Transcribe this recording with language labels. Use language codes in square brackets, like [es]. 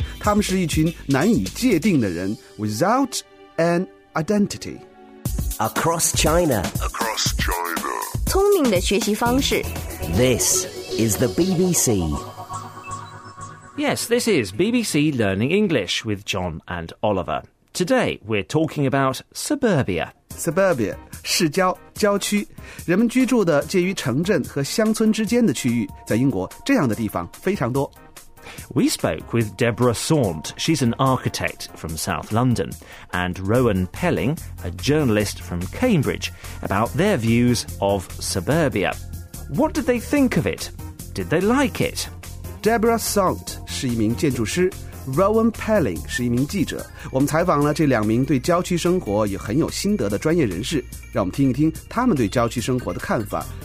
[zh] 他们是一群难以界定的人 ， [en] without an identity. Across China. Across China. [zh] 聪明的学习方式。 [en] This is the BBC. Yes, this is BBC Learning English with John and Oliver. Today, we're talking about suburbia. [zh] Suburbia, 市郊、郊区，人们居住的介于城镇和乡村之间的区域，在英国这样的地方非常多。 [en] We spoke with Deborah Saunt, she's an architect from South London, and Rowan Pelling, a journalist from Cambridge, about their views of suburbia. What did they think of it? Did they like it? [zh] Deborah Saunt 是一名建筑师。Rowan Pelling 是一名记者，我们采访了这两名对郊区生活也很有心得的专业人士，让我们听一听他们对郊区生活的看法。